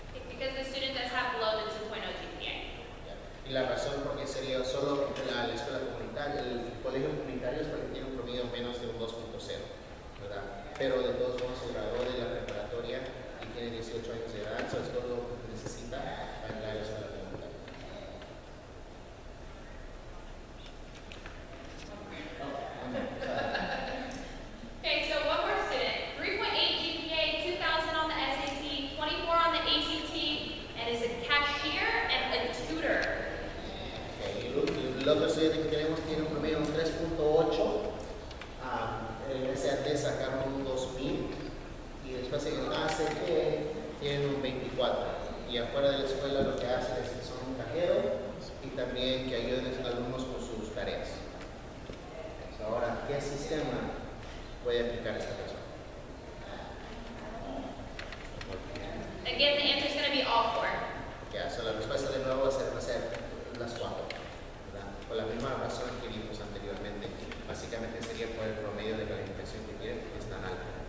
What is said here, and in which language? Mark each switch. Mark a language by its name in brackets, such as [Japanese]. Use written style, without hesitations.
[English] Because the student does have below the 2.0 GPA. Yeah. [Spanish] Y la razón porque sería solo la escuela comunitaria, el colegio comunitario es porque tiene un promedio menos de un 2.0, ¿verdad? Pero de todos modos, el graduó de la preparatoria y tiene 18 años de edad, eso es todo lo que necesita para entrar a la escuela comunitaria. [English] Okay, so one more student, 3.8 GPA, 2,000 on the SAT, 24 on the ACT, and is a cashier and a tutor. [Spanish] Okay, el otro estudiante que tenemos tiene un promedio de 3.8, el SAT sacaron un 2,000, y después en el ACT tienen un 24, y afuera de la escuela lo que hacen es que son un cajero, y también que ayuden a los alumnos con sus tareas. Ahora, ¿qué sistema puede aplicar esta persona? [English] Again, the answer is going to be all four. [Spanish] Yeah, so la respuesta de nuevo va a ser las cuatro. Con la misma razón que vimos anteriormente, básicamente sería por el promedio de calificación que tiene, que es tan alto.